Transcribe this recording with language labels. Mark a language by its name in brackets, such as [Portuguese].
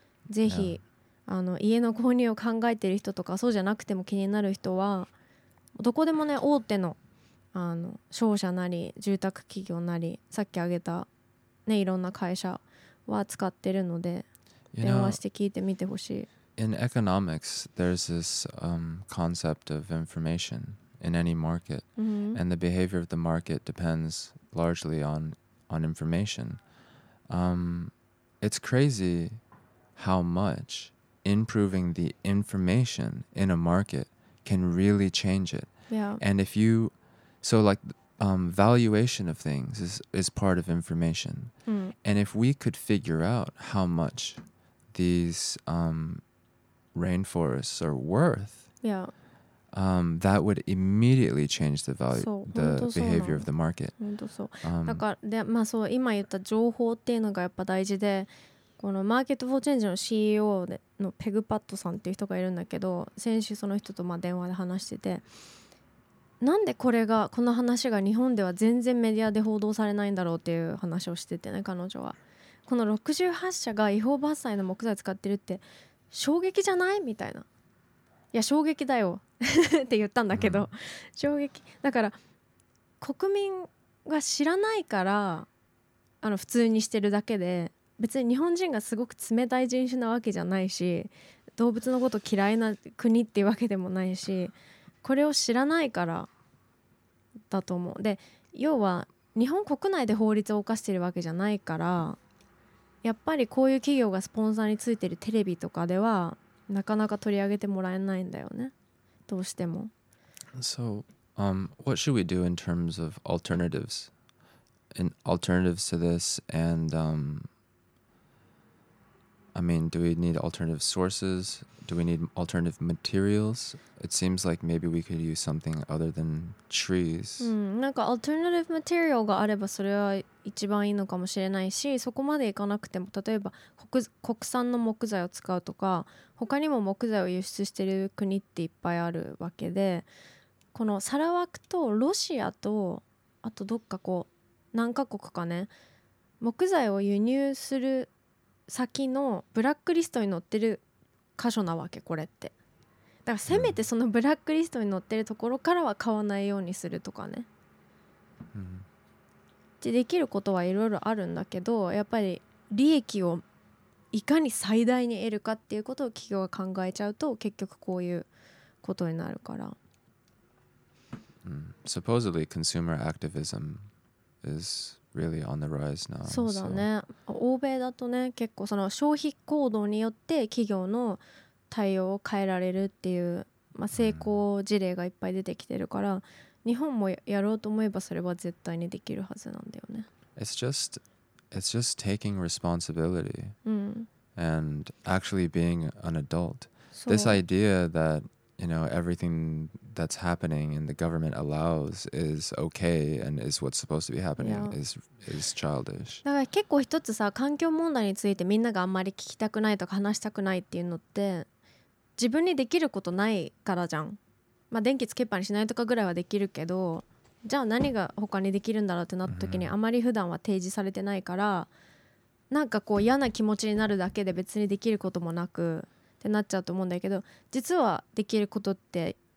[Japanese] ぜひ、あの家の購入を考えてる人とかそうじゃなくても気になる人はどこでもね大手の、あの商社なり住宅企業なりさっき挙げた、ね、いろんな会社は使ってるので電話して聞いてみてほしい。 [English] In economics there's this concept of information in any market、 mm-hmm. and the behavior of the market depends largely on information、it's crazy how much improving the information in a market can really change it、 yeah. and if youSo like、valuation of things is part of information.、 Mm. And if we could figure out how much these、rainforests are worth,、 yeah. That would immediately change the value, the behavior of the market. [Japanese] だからで、まあ、そう今言った情報っていうのがやっぱ大事で、このマーケットフォーチェンジの CEO のペグパッドさんっていう人がいるんだけど、先週その人とまあ電話で話してて、なんでこれがこの話が日本では全然メディアで報道されないんだろうっていう話をしててね、彼女はこの68社が違法伐採の木材使ってるって衝撃じゃないみたいな、いや衝撃だよって言ったんだけど、衝撃だから国民が知らないから、あの普通にしてるだけで、別に日本人がすごく冷たい人種なわけじゃないし、動物のこと嫌いな国っていうわけでもないし、これを知らないからだと思う。で、要は日本国内で法律を犯してるわけじゃないから、やっぱりこういう企業がスポンサーについてるテレビとかではなかなか取り上げてもらえないんだよね、どうしても。 [English] So, what should we do in terms of alternatives? In alternatives to this and, I mean, do we need alternative sources? Do we need alternative materials? It seems like maybe we could use something other than trees. [Japanese] なんか [English] alternative material [Japanese] があればそれは一番いいのかもしれないし、そこまでいかなくても例えば国産の木材を使うとか、他にも木材を輸出してる国っていっぱいあるわけで、このサラワクとロシアとあとどっかこう何カ国かね、木材を輸入する先のブラックリストに載ってる箇所なわけ、これって。だからせめてそのブラックリストに載ってるところからは買わないようにするとかね、でできることはいろいろあるんだけど、やっぱり利益をいかに最大に得るかっていうことを企業が考えちゃうと結局こういうことになるから、 [English] Supposedly consumer activism isReally on the rise now. [Japanese] そうだね。欧米だとね、結構その消費行動によって企業の対応を変えられるっていう、まあ、成功事例がいっぱい出てきてるから、日本もやろうと思えばそれは絶対にできるはずなんだよね。 [English] It's just taking responsibility and actually being an adult. This idea that, you know, everything that's happening and the government allows is okay and is what's supposed to be happening、yeah. is childish. [Japanese] だから結構一つさ、環境問題についてみんながあんまり聞きたくないとか話したくないっていうのって自分にできることないからじゃん。まあ電気つけっぱにしないとかぐらいはできるけど、じゃあ何が他にできるんだろうってなった時にあまり普段は提示されてないから、なんかこう嫌な気持ちになるだけで別にできることもなくってなっちゃうと思うんだけど、実はできることって